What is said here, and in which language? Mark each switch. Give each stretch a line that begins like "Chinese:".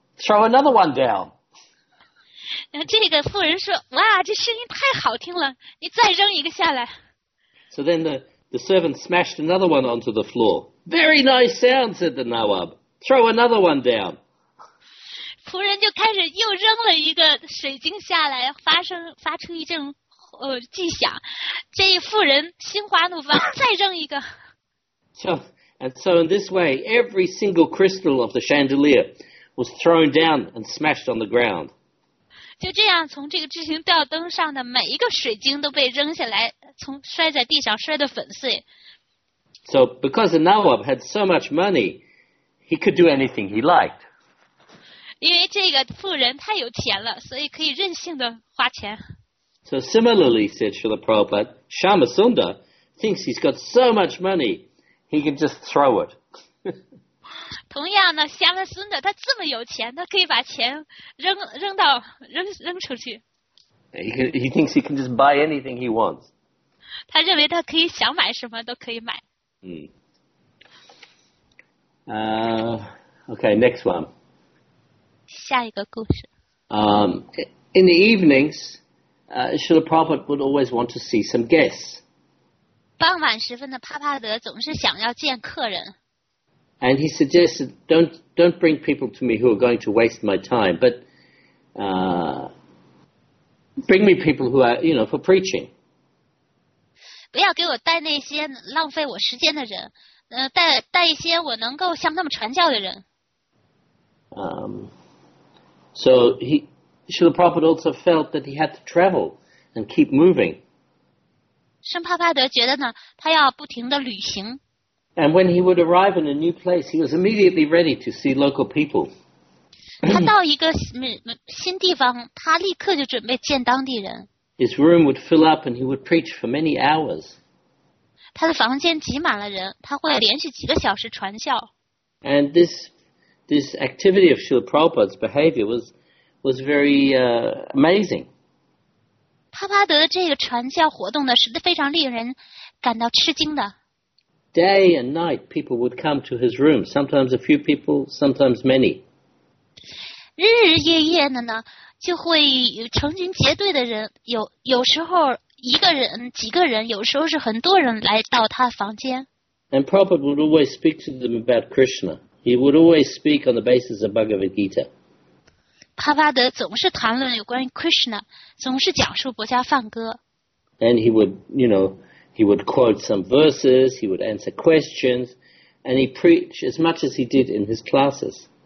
English: Throw another one down."
Chinese: 然后这个妇人说，哇，这声音太好听了，你再扔一个下来。
English: So then the servant smashed another one onto the floor. "Very nice sound," said the Nawab. "Throw another one down."
Chinese: 仆人就开始又扔了一个水晶下来，发出一阵巨响。这一妇人心花怒放，再扔一个。
English: So in this way, every single crystal of the chandelier was thrown down and smashed on the ground.
Chinese: 就这样，从这个巨型吊灯上的每一个水晶都被扔下来，摔在地上，摔得粉碎。
English: So because Nawab had so much money, he could do anything he liked.
Chinese: 因为这个富人太有钱了，所以可以任性的花钱。
English: So similarly, said Srila Prabhupada, Shyama Sunda thinks he's got so much money, he can just throw it.
Chinese: 同样呢，香兰孙的他这么有钱，他可以把钱扔出去。
English: He thinks he can just buy anything he wants.
Chinese: 他认为他可以想买什么都可以买。
English: Okay, next one.
Chinese: 下一个故事。
English: In the evenings, Srila Prabhupada would always want to see some guests.
Chinese: 傍晚时分的帕帕德总是想要见客人。
English: And he suggested, don't bring people to me who are going to waste my time, but bring me people who are, you know, for preaching.
Chinese: 不要给我带那些浪费我时间的人，带一些我能够向他们传教的人。
English: So Srila Prabhupada also felt that he had to travel and keep moving.
Chinese: 圣帕帕德觉得呢，他要不停的旅行。
English: And when he would arrive in a new place, he was immediately ready to see local people.
Chinese: 他到一个新地方，他立刻就准备见当地人。
English: His room would fill up, and he would preach for many hours.
Chinese: 他的房间挤满了人，他会连续几个小时传教。
English: And this activity of Srila Prabhupada's behavior was very amazing.
Chinese: 帕帕德这个传教活动呢，是非常令人感到吃惊的。
English: Day and night, people would come to his room. Sometimes a few people, sometimes many.
Chinese: 日日夜夜的呢，就会成群结队的人，有时候一个人、几个人，有时候是很多人来到他房间。
English: And Prabhupada would always speak to them about Krishna. He would always speak on the basis of Bhagavad Gita.
Chinese: 帕帕德总是谈论有关于 Krishna， 总是讲述博伽梵歌。
English: And he would, you know. He would quote some verses, he would answer questions, and he preached as much as he did in his classes.